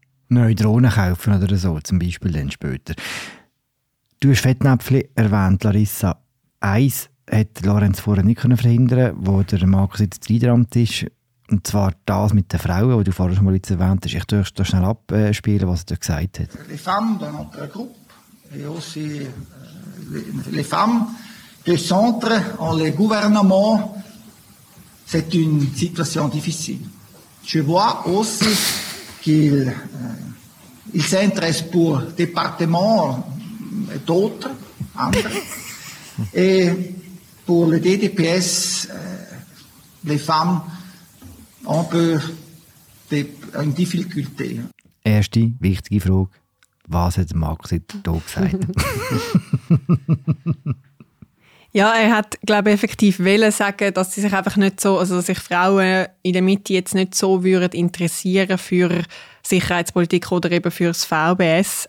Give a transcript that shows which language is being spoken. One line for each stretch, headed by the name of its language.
German: Neue Drohnen kaufen oder so, zum Beispiel dann später. Du hast Fettnäpfchen erwähnt, Larissa. Eins hat Lorenz vorher nicht verhindern können, wo der Markus jetzt dreidramt ist. Und zwar das mit den Frauen, die du vorher schon mal erwähnt hast. Ich möchte hier schnell abspielen, was er dir gesagt hat.
French: Les femmes dans notre groupe, et aussi les femmes du centre en le gouvernement, c'est une situation difficile. Je vois aussi qu'il il s'intéresse pour département et d'autres, et pour le DDPS, les femmes on peut une difficulté.
German: Erste wichtige Frage: Was hat Markus hier gesagt? Ja, er hat, glaube ich, effektiv wollen sagen, dass sie sich einfach nicht so, also dass sich Frauen in der Mitte jetzt nicht so würden interessieren für Sicherheitspolitik oder eben für das VBS.